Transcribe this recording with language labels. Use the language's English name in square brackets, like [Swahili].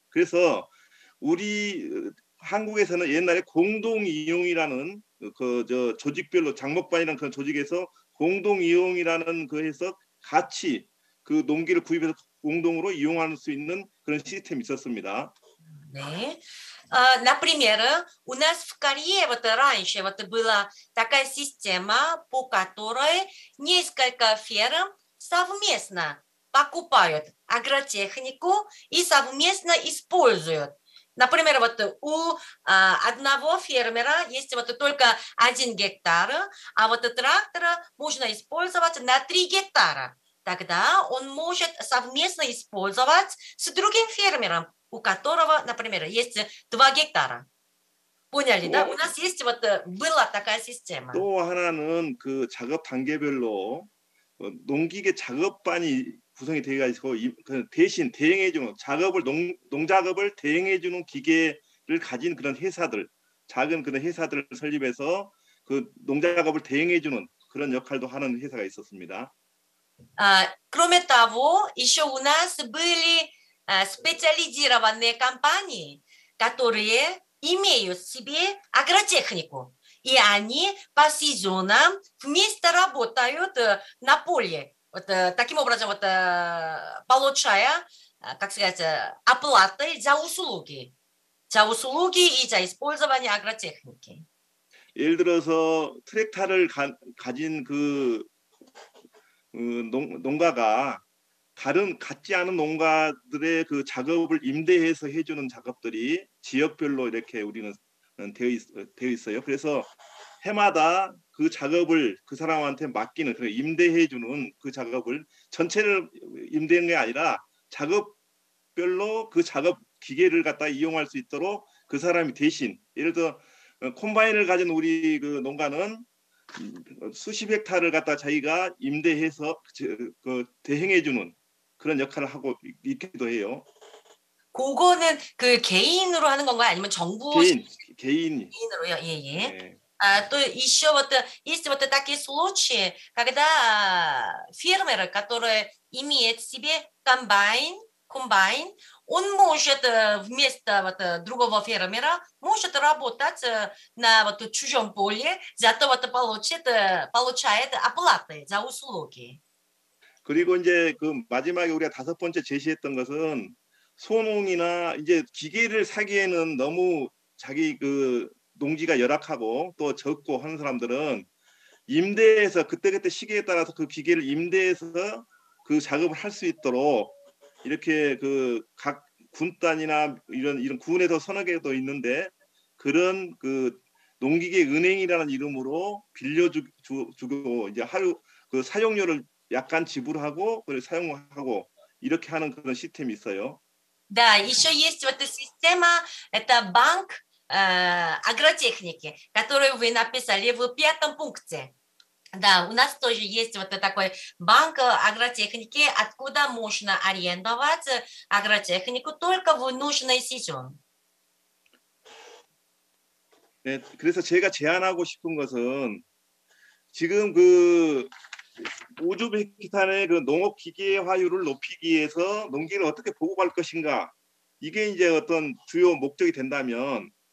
[Korean] 그래서 우리 한국에서는 옛날에 공동 이용이라는 그 저 조직별로 장목반이라는 그런 조직에서 공동 이용이라는 그 해서 같이 그 농기를 구입해서 공동으로 이용할 수 있는 그런 시스템이 있었습니다. 네. [Russian] Например, у нас в Корее вот раньше вот была такая система, по которой несколько ферм совместно покупают агротехнику и совместно используют. Например, вот у одного фермера есть вот только один гектар, а вот трактора можно использовать на 3 гектара. Тогда он может совместно использовать с другим фермером, у которого, например, есть 2 гектара. Поняли, да? У нас есть вот была такая система. [Korean] 또 하나는 그 작업 단계별로 농기계 작업반이 구성이 돼가지고 대신 대행해주는 작업을 농작업을 대행해주는 기계를 가진 그런 회사들 작은 그런 회사들을 설립해서 그 농작업을 대행해주는 그런 역할도 하는 회사가 있었습니다. [Russian] Кроме того, еще у нас были специализированные компании, которые имеют себе агротехнику, и они по сезонам вместе работают на поле. Вот таким образом вот получая, как сказать, оплаты за услуги и за использование агротехники. [Korean] 예를 들어서 트랙터를 가진 그 농가가 다른 같지 않은 농가들의 그 작업을 임대해서 해주는 작업들이 지역별로 이렇게 우리는 되어 있어요. 그래서 해마다 그 작업을 그 사람한테 맡기는 그 임대해 주는 그 작업을 전체를 임대하는 게 아니라 작업별로 그 작업 기계를 갖다 이용할 수 있도록 그 사람이 대신 예를 들어 콤바인을 가진 우리 그 농가는 수십 헥타를 갖다 자기가 임대해서 그 대행해 주는 그런 역할을 하고 있기도 해요. 그거는 그 개인으로 하는 건가요? 아니면 정부 개인으로요? 예, 예. 네. [Russian] То еще вот есть вот такие случаи, когда фермеры, которые имеют себе комбайн, он может вместо вот другого фермера может работать на вот чужом поле, зато вот получает оплаты за услуги. [Korean] 그리고 이제 그 마지막에 우리가 다섯 번째 제시했던 것은 소농이나 이제 기계를 사기에는 너무 자기 그 농지가 열악하고 또 적고 하는 사람들은 임대해서 그때그때 시기에 따라서 그 기계를 임대해서 그 작업을 할 수 있도록 이렇게 그 각 군단이나 이런 군에서 서너 개도 있는데 그런 그 농기계 은행이라는 이름으로 빌려주고 이제 하루 그 사용료를 약간 지불하고 그걸 사용하고 이렇게 하는 그런 시스템이 있어요. [Russian] Да, ещё есть вот эта система, это банк агротехники, которую вы написали в пятом пункте. Да, у нас тоже есть вот такой банк агротехники, откуда можно арендовать агротехнику только в нужный сезон. [Korean] 네, 그래서 제가 제안하고 싶은 것은 지금 그 우즈베키스탄의 그 농업 기계화율을 높이기 위해서 농기를 어떻게 보급할 것인가 이게 이제 어떤 주요 목적이 된다면